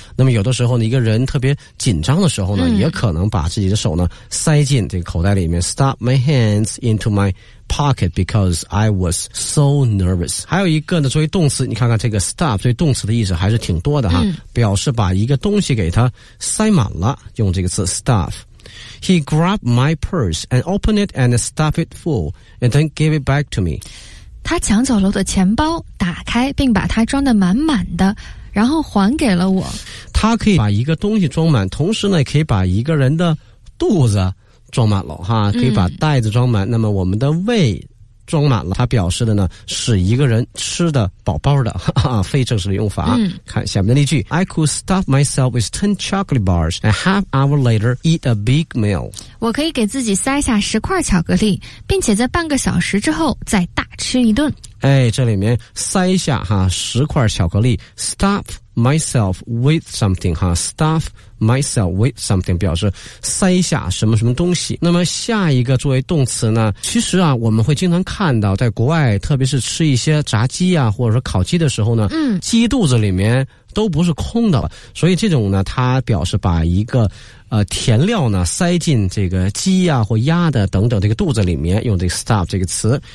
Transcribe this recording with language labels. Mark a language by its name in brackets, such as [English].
[Chinese] 那么有的时候呢，一个人特别紧张的时候呢，也可能把自己的手呢塞进这个口袋里面， [English] stuff my hands into my pocket because I was so nervous。 [Chinese] 还有一个呢，作为动词，你看看这个 stuff 作为动词的意思还是挺多的哈，表示把一个东西给它塞满了，用这个词 stuff。 [English] He grabbed my purse and opened it and stuffed it full and then gave it back to me。 [Chinese] 他抢走了我的钱包，打开并把它装得满满的，然后还给了我。他可以把一个东西装满，同时呢也可以把一个人的肚子装满了哈，可以把袋子装满，那么我们的胃装满了，他表示的呢是一个人吃的饱饱的，哈哈，非正式的用法。看下面的例句 [English] I could stuff myself with 10 chocolate bars and half hour later eat a big meal。 [Chinese] 我可以给自己塞下10块巧克力，并且在半个小时之后再大吃一顿。哎，这里面塞下哈十块巧克力 [English] stuff myself with something [Chinese] 哈 stuff myself with something 表示塞下什么什么东西。那么下一个作为动词呢，其实啊我们会经常看到在国外，特别是吃一些炸鸡啊或者说烤鸡的时候呢，鸡肚子里面都不是空的了，所以这种呢它表示把一个填料呢塞进这个鸡啊或鸭的等等这个肚子里面，用这个 stuff 这个词。